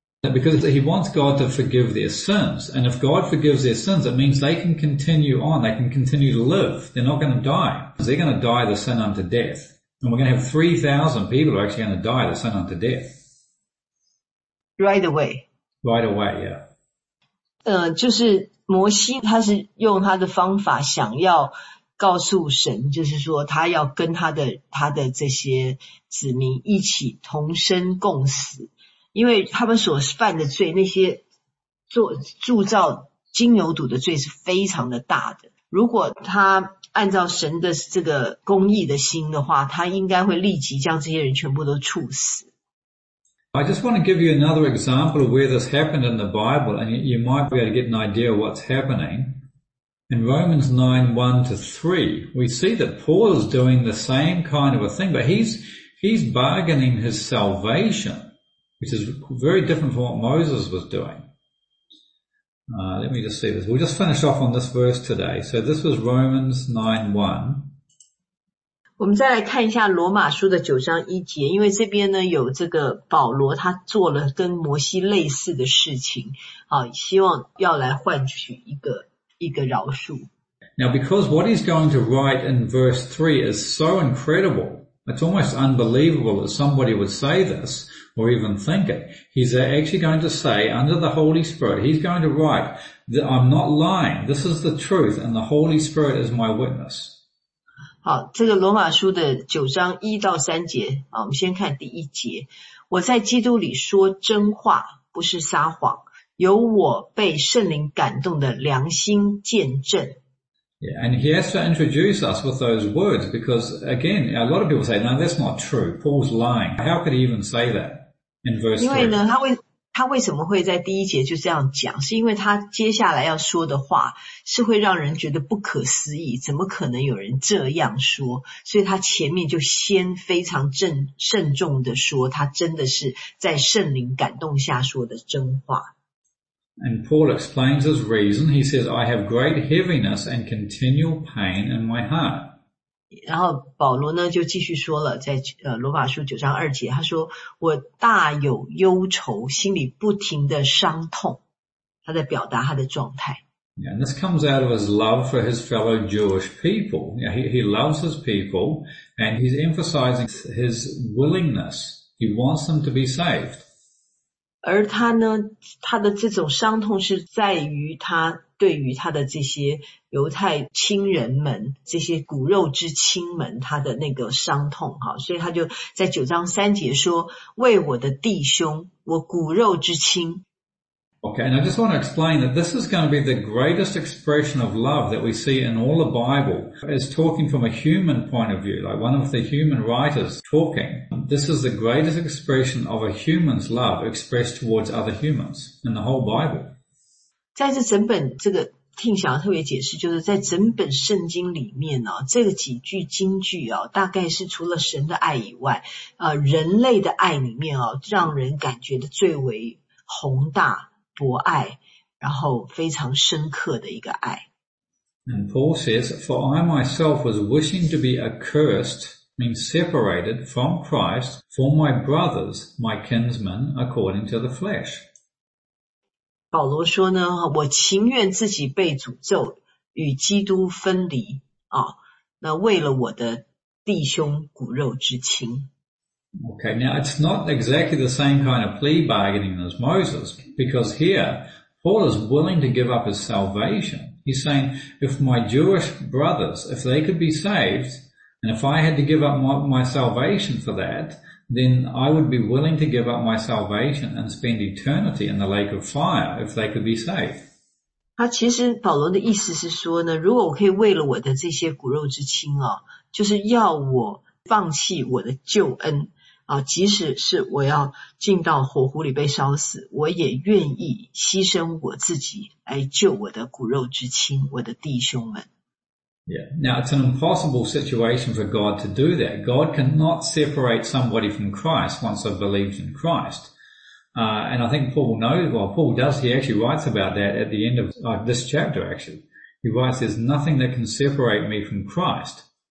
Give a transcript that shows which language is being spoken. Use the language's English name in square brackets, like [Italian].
[English] Because he wants God to forgive their sins. And if God forgives their sins, it means they can continue on. They can continue to live. They're not going to die. Because they're going to die the sin unto death. And we're going to have 3,000 people who are actually going to die, they're sent unto death. Right away. Right away, yeah. [Chinese] 就是摩西他是用他的方法想要告诉神，就是说他要跟他的这些子民一起同生共死，因为他们所犯的罪，那些铸造金牛犊的罪是非常的大的。如果他按照神的这个公义的心的话，他应该会立即将这些人全部都处死。 [English] I just want to give you another example of where this happened in the Bible, and you might be able to get an idea of what's happening. In Romans 9:1-3, we see that Paul is doing the same kind of a thing, but he's bargaining his salvation, which is very different from what Moses was doing. Let me just see this. We'll just finish off on this verse today. So this was Romans 9:1. [Chinese] 我们再来看一下罗马书的9:1，因为这边呢有这个保罗他做了跟摩西类似的事情，希望要来换取一个饶恕。 [English] Now because what he's going to write in verse 3 is so incredible, it's almost unbelievable that somebody would say this or even think it. He's actually going to say under the Holy Spirit, he's going to write that I'm not lying, this is the truth and the Holy Spirit is my witness. [Chinese] 好，这个罗马书的9:1-3，我们先看第一节。我在基督里说真话，不是撒谎，有我被圣灵感动的良心见证。 [English] Yeah, and he has to introduce us with those words, because again, a lot of people say, no, that's not true. Paul's lying. How could he even say that in verse 3? [Chinese] 因为呢，他为什么会在第一节就这样讲，是因为他接下来要说的话是会让人觉得不可思议，怎么可能有人这样说，所以他前面就先非常慎重的说他真的是在圣灵感动下说的真话。 [English] And Paul explains his reason. He says, I have great heaviness and continual pain in my heart. [Chinese] 然后保罗呢就继续说了，在罗马书9:2，他说我大有忧愁，心里不停的伤痛，他在表达他的状态。 [English] Yeah, and this comes out of his love for his fellow Jewish people. Yeah, he loves his people, and he's emphasizing his willingness. He wants them to be saved. [Chinese] 而他呢，他的这种伤痛是在于他对于他的这些犹太亲人们，这些骨肉之亲们，他的那个伤痛，所以他就在9:3说，为我的弟兄，我骨肉之亲。 [English] Okay, and I just want to explain that this is going to be the greatest expression of love that we see in all the Bible. It's talking from a human point of view, like one of the human writers talking. This is the greatest expression of a human's love expressed towards other humans in the whole Bible. [Chinese] 在这整本这个听想要特别解释，就是在整本圣经里面啊，这个几句经句啊，大概是除了神的爱以外，人类的爱里面啊，让人感觉的最为宏大博爱，然后非常深刻的一个爱。 [English] And Paul says, for I myself was wishing to be accursed, being separated from Christ, for my brothers, my kinsmen, according to the flesh. [Chinese] 保罗说呢，我情愿自己被诅咒与基督分离啊，那为了我的弟兄骨肉之亲。 [English] Okay, now it's not exactly the same kind of plea bargaining as Moses, because here Paul is willing to give up his salvation. He's saying, if my Jewish brothers, if they could be saved, and if I had to give up my salvation for that,then I would be willing to give up my salvation and spend eternity in the lake of fire if they could be saved. [Chinese] 他其实保罗的意思是说呢，如果我可以为了我的这些骨肉之亲啊，就是要我放弃我的救恩啊，即使是我要进到火湖里被烧死，我也愿意牺牲我自己来救我的骨肉之亲，我的弟兄们。 [English] Yeah, now it's an impossible situation for God to do that. God cannot separate somebody from Christ once they've believed in Christ. And I think Paul knows, well, Paul does, he actually writes about that at the end of this chapter, actually. He writes, there's nothing that can separate me from Christ.